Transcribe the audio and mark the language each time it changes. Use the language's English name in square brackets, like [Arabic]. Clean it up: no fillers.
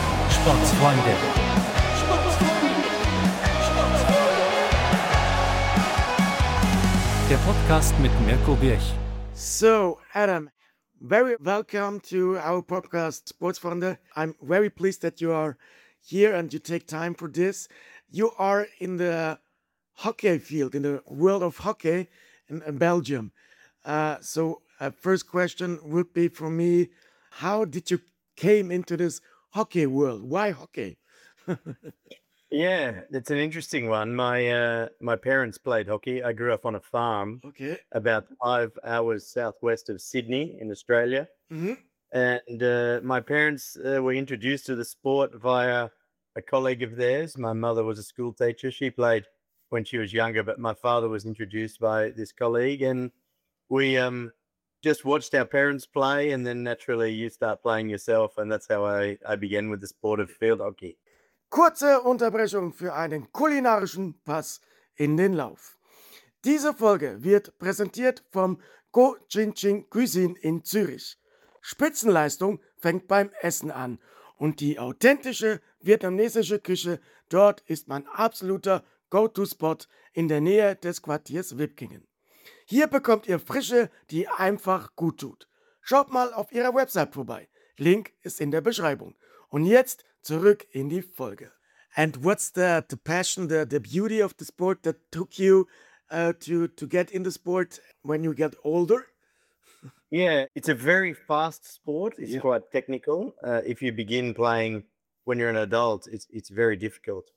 [German] Sportfreunde. Der Podcast mit Mirko Birch. [English] So, Adam, very welcome to our podcast, Sportsfreunde. I'm very pleased that you are here and you take time for this. You are in the hockey field, in the world of hockey in Belgium. First question would be for me, how did you came into this hockey world? Why hockey? Yeah, it's an interesting one. My parents played hockey. I grew up on a farm about 5 hours southwest of Sydney in Australia. My parents were introduced to the sport via a colleague of theirs. My mother was a school teacher. She played when she was younger, but my father was introduced by this colleague. And we just watched our parents play, and then naturally you start playing yourself. And that's how I began with the sport of field hockey. [German] Kurze Unterbrechung für einen kulinarischen Pass in den Lauf. Diese Folge wird präsentiert vom Go Chin Chin Cuisine in Zürich. Spitzenleistung fängt beim Essen an. Und die authentische vietnamesische Küche dort ist mein absoluter Go-To-Spot in der Nähe des Quartiers Wipkingen. Hier bekommt ihr Frische, die einfach gut tut. Schaut mal auf ihrer Website vorbei. Link ist in der Beschreibung. Und jetzt zurück in die Folge. [English] And what's the passion, the beauty of the sport that took you to get in the sport when you get older? Yeah, it's a very fast sport. It's quite technical. If you begin playing when you're an adult, it's very difficult.